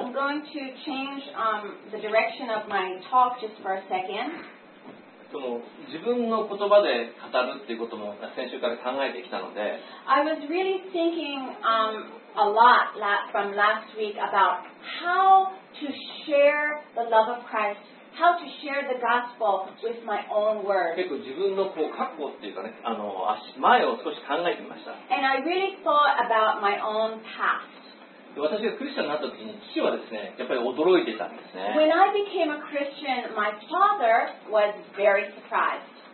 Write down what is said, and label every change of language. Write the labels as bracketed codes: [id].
[en] I'm going to change, the direction of my talk just for a second. [ja] その自分の言葉で語るっていうことも先週から考えてきたので、 [en] I was really thinking, a lot from last week about how to share the love of Christ, how to share the gospel with my own words. [ja] 結構自分のこう過去っていうかね、あの前を少し考えてみました。 [en] And I really thought about my own past. [ja] 私がクリスチャンになった時に父はですね、やっぱり驚いてたんですね。 [en] When I became a Christian, my father was very surprised.